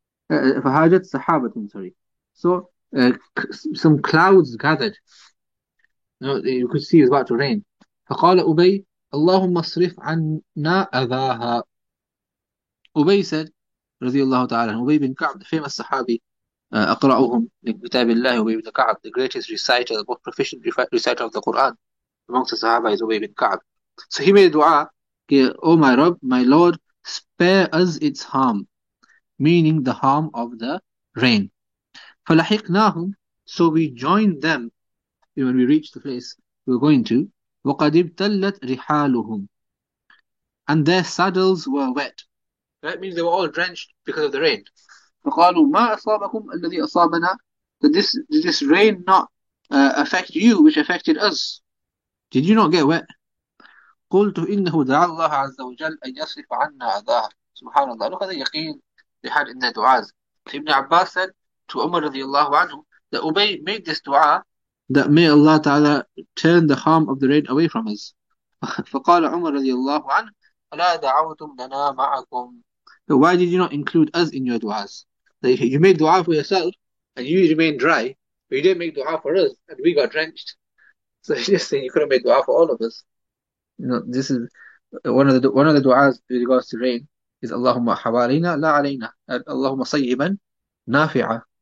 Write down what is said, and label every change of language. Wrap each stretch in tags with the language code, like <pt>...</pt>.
<ar>فهاجت الصحابة</ar> <en>sorry. So some clouds gathered. You could see it was about to rain.</en> <ar>فقال أبي اللهم اصرف عنا أذاها. أبي</ar> <en>said</en> <ar>رضي الله تعالى عنه, أبي بن كعب</ar> <en>the famous</en> <ar>صحابي أقرأهم لكتاب الله, أبي بن كعب</ar> <en>the greatest reciter, the most proficient reciter of the Quran amongst the Sahaba is</en> <ar>أبي بن كعب.</ar> <en>So he made dua, oh my Rabb, my Lord, spare us its harm, meaning the harm of the rain.</en> <ar>فَلَحِقْنَاهُمْ,</ar> <en>so we joined them. When we reached the place we were going to,</en> <ar>وَقَدْ ابْتَلَّتْ رِحَالُهُمْ,</ar> <en>and their saddles were wet. That means they were all drenched because of the rain.</en> <ar>فَقَالُوا مَا أَصَابَكُمْ الَّذِي أَصَابَنَا,</ar> <en>did this rain not affect you, which affected us? Did you not get wet?</en> <ar>قلت إنه دعا الله عز وجل أن يصرف عنا أذاه. سبحان الله.</ar> <en>Look at the yaqeen they had in their du'as. Ibn Abbas said to Umar radiallahu anhu that Ubay made this du'a that may Allah ta'ala turn the harm of the rain away from us.</en> <ar>فقال عمر رضي الله عنه ألا دعوتم لنا معكم.</ar> <en>But why did you not include us in your du'as? You made du'a for yourself and you remained dry, but you didn't make du'a for us and we got drenched. So he's just saying you could have made du'a for all of us. You know, this is one of the du'as with regards to rain is Allahumma hawalina la alayna, Allahumma sayyiban nafi'a.</en>